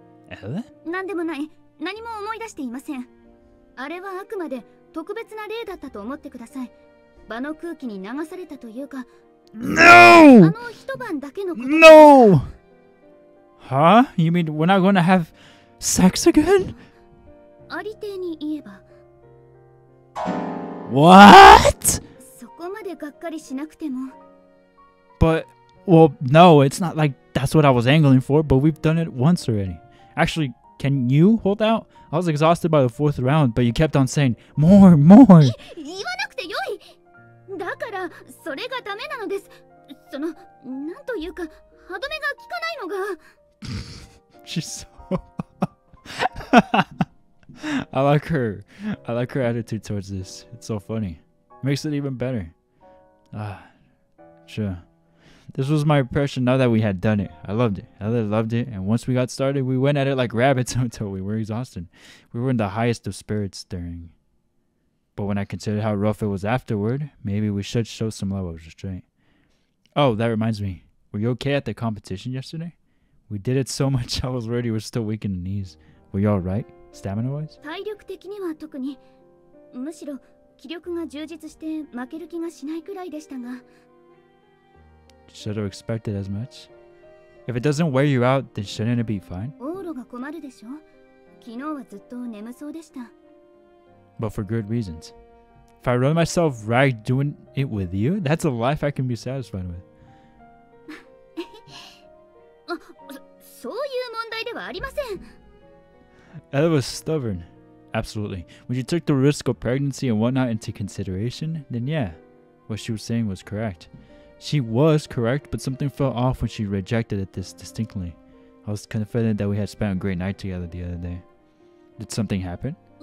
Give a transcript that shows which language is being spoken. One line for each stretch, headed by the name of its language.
English: Elle?
Japanese: 何でもない。何も思い出していません。あれはあくまで特別な例だったと思ってください。場の空気に流されたというか。
English: No!
Japanese: あの一晩だけのこと。
English: No! Huh? You mean we're not going to have sex again?
Japanese: ありていに言えば。
English: What?
Japanese: そこまでがっかりしなくても。
English: But, well, no, it's not like that's what I was angling for, but we've done it once already. Actually, can you hold out? I was exhausted by the fourth round, but you kept on saying, more, more!
Japanese: 言わなくてよい! だから、それがダメなのです。その、なんというか、歯止めが効かないのが。
English: She's so... I like her. I like her attitude towards this. It's so funny. Makes it even better. Ah, sure. This was my impression now that we had done it. I loved it. Elle loved it. And once we got started, we went at it like rabbits until we were exhausted. We were in the highest of spirits during. But when I considered how rough it was afterward, maybe we should show some level of restraint. Oh, that reminds me. Were you okay at the competition yesterday? We did it so much I was worried you were still weak in the knees. Were you alright? Stamina-wise?
Japanese: 体力的には特に。むしろ気力が充実して負ける気がしないくらいでしたが。
English: Should have expected as much. If it doesn't wear you out, then shouldn't it be fine?
Japanese: オーロが困るでしょ。昨日はずっと眠そうでした。
English: But for good reasons. If I run myself ragged doing it with you, that's a life I can be satisfied with.
Japanese: そういう問題ではありません。
English: Elle was stubborn. Absolutely. When she took the risk of pregnancy and whatnot into consideration, then yeah, what she was saying was correct. She was correct, but something fell off when she rejected it this distinctly. I was confident that we had spent a great night together the other day. Did something happen?